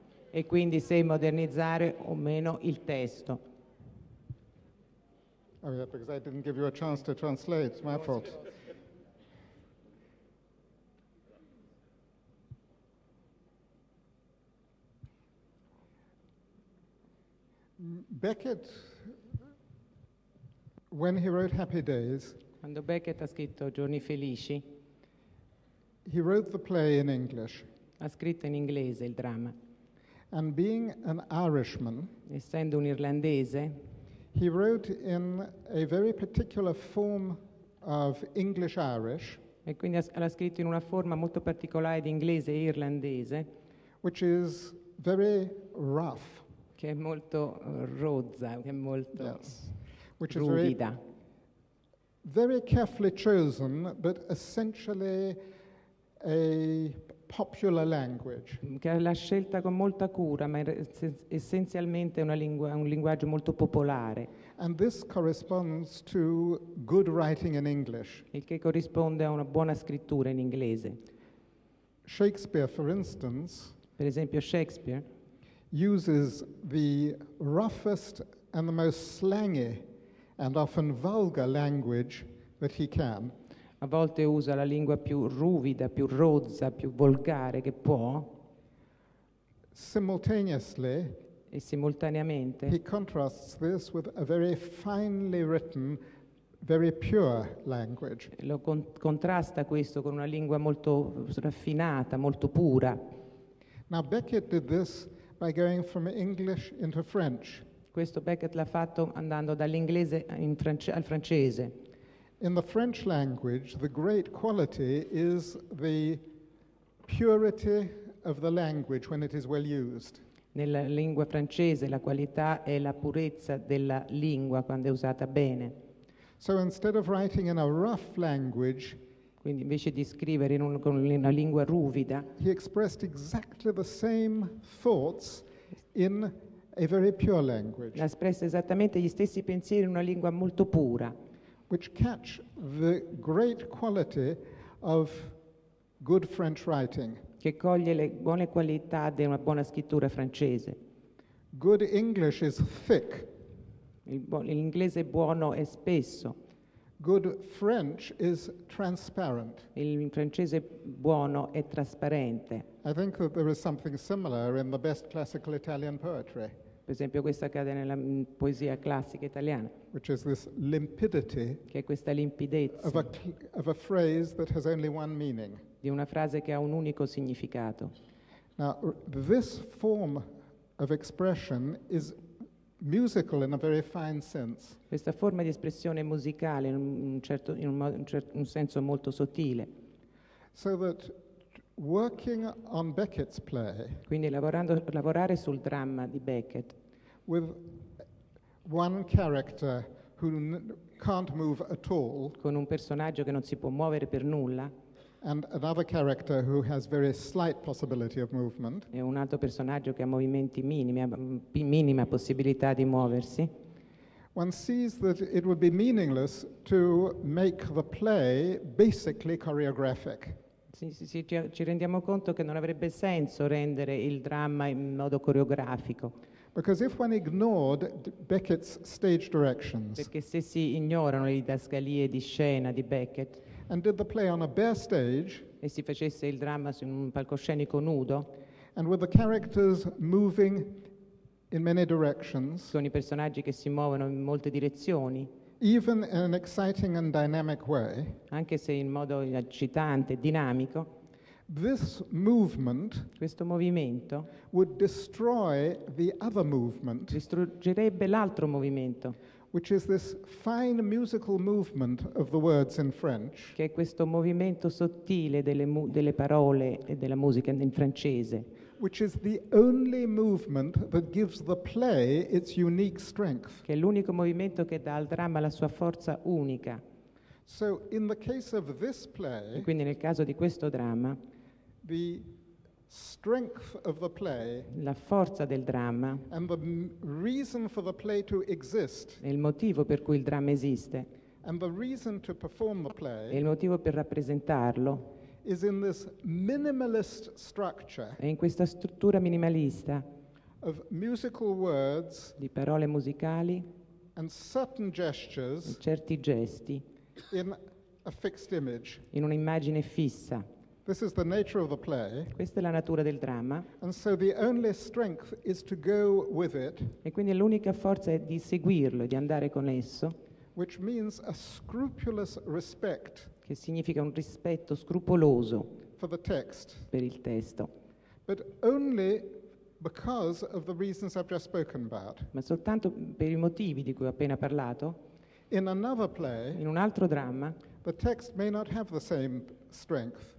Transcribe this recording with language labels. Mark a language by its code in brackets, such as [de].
[it] E quindi se modernizzare o meno il testo. [en] Oh yeah, because I didn't give you a chance to translate, it's my fault. Beckett, when he wrote Happy Days, [it] quando Beckett ha scritto Giorni Felici, [en] he wrote the play in English. [it] Ha scritto in inglese il dramma. [en] And being an Irishman, [it] essendo un irlandese, [en] he wrote in a very particular form of English-Irish, [it] e quindi l'ha scritto in una forma molto particolare di inglese e irlandese, [en] which is very rough, [it] che è molto rozza, che è molto [en] yes, which ruvida. Is very, very carefully chosen, but essentially a popular language. [it] Che l'ha scelta con molta cura, ma essenzialmente un linguaggio molto popolare. [en] And this corresponds to good writing in English. [it] Il che corrisponde a una buona scrittura in inglese. [en] Shakespeare, for instance, [it] per esempio Shakespeare, [en] uses the roughest and the most slangy and often vulgar language that he can. [it] A volte usa la lingua più ruvida, più rozza, più volgare che può. [en] Simultaneously, [it] e simultaneamente, [en] he contrasts this with a very finely written, very pure language. [it] Lo contrasta questo con una lingua molto raffinata, molto pura. [en] Now Beckett did this by going from English into French. [it] Questo Beckett l'ha fatto andando dall'inglese al francese. [en] In the French language, the great quality is the purity of the language when it is well used. [it] Nella lingua francese la qualità è la purezza della lingua quando è usata bene. [en] So instead of writing in a rough language, [it] quindi invece di scrivere in una lingua ruvida, [en] he expressed exactly the same thoughts in a very pure language. [it] Ha espresso esattamente gli stessi pensieri in una lingua molto pura. [en] Which catch the great quality of good French writing. [it] Che coglie le buone qualità di una buona scrittura francese. [en] Good English is thick. [it] L'inglese buono è spesso. [en] Good French is transparent. [it] Il francese buono è trasparente. [en] I think that there is something similar in the best classical Italian poetry. [it] Per esempio questo accade nella poesia classica italiana, [en] which is this limpidity, [it] che è questa limpidezza [en] of a phrase that has only one meaning, [it] di una frase che ha un unico significato. [en] Now this form of expression is musical in a very fine sense. [it] Questa forma di espressione musicale in un senso molto sottile. [en] So that working on Beckett's play, [it] quindi lavorare sul dramma di Beckett, [en] with one character who can't move at all, [it] con un personaggio che non si può muovere per nulla, [en] and another character who has very slight possibility of movement, [it] e un altro personaggio che ha movimenti minima possibilità di muoversi, [en] one sees that it would be meaningless to make the play basically choreographic. [it] Ci rendiamo conto che non avrebbe senso rendere il dramma in modo coreografico. [en] Because if one ignored Beckett's stage directions, [it] perché se si ignorano le didascalie di scena di Beckett, [en] and did the play on a bare stage, [it] e si facesse il dramma su un palcoscenico nudo, [en] and with the characters moving in many directions, [it] sono i personaggi che si muovono in molte direzioni, [en] even in an exciting and dynamic way, [it] anche se in modo eccitante e dinamico, [en] this movement, [it] questo movimento, [en] would destroy the other movement, [it] distruggerebbe l'altro movimento, [en] which is this fine musical movement of the words in French, [it] che è questo movimento sottile delle parole e della musica in francese, [en] which is the only movement that gives the play its unique strength, [it] che è l'unico movimento che dà al dramma la sua forza unica. [en] So in the case of this play, [it] e quindi nel caso di questo dramma, [en] the strength of the play, [it] la forza del dramma, [en] and the reason for the play to exist, [it] e il motivo per cui il dramma esiste, [en] and the reason to perform the play, [it] e il motivo per rappresentarlo, [en] is in this minimalist structure, [it] è in questa struttura minimalista, [en] of musical words, [it] di parole musicali, [en] and certain gestures, [it] e certi gesti, [en] in a fixed image, [it] in un'immagine fissa. [en] This is the nature of the play. [it] Questa è la natura del dramma. [en] And so the only strength is to go with it. [it] E quindi l'unica forza è di seguirlo, di andare con esso. [en] Which means a scrupulous respect. [it] Che significa un rispetto scrupoloso. [en] For the text. [it] Per il testo. [en] But only because of the reasons I've just spoken about. [it] Ma soltanto per i motivi di cui ho appena parlato. [en] In another play, [it] in un altro dramma, [en] the text may not have the same strength,